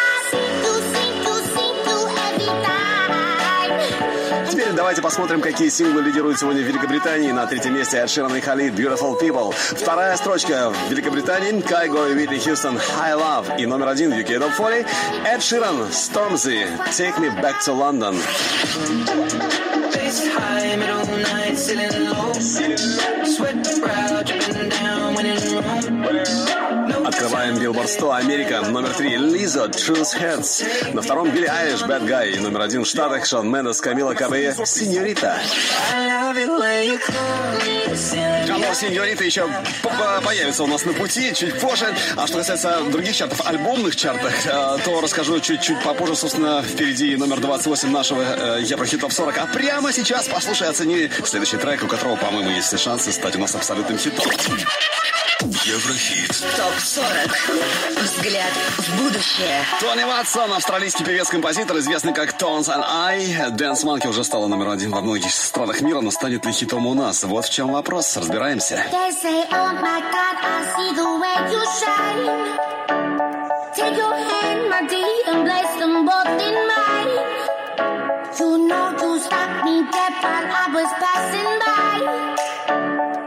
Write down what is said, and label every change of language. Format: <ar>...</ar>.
<en>Simple, simple, simple, every time.</en> <ru>Теперь недель. Давайте посмотрим, какие синглы лидируют сегодня в Великобритании. На третьем месте Эд Ширан и Халид, Beautiful People. Вторая строчка в Великобритании, Кайго и Уитни Хьюстон, High Love. И номер один в UK Top 40, Эд Ширан, Stormzy, Take Me Back to London. Открываем Billboard 100 Америка. Номер 3 Lizzo, Truth Hurts. На втором Billie Eilish, Bad Guy. Номер 1 в Штатах Шон Мендес, Камила Кабелье, Сеньорита. Алло, Сеньорита еще появится у нас на пути чуть позже. А что касается других чартов, альбомных чартов, то расскажу чуть-чуть попозже. Собственно, впереди номер 28 нашего Еврохит Топ 40. А прямо сейчас послушай, оцени следующий трек, у которого, по-моему, есть все шансы стать у нас абсолютным хитом. Еврохит. Топ 40. Взгляд в будущее. Тони Ватсон, австралийский певец-композитор, известный как Tones and I. Dance Monkey уже стала номер один во многих странах мира, но станет ли хитом у нас? Вот в чем вопрос. Разбираемся.</ru> <en>They say, oh my God, I see the way you shine. Take your hand, my dear, and place them both in mine. You know you stopped me dead while I was passing by.</en>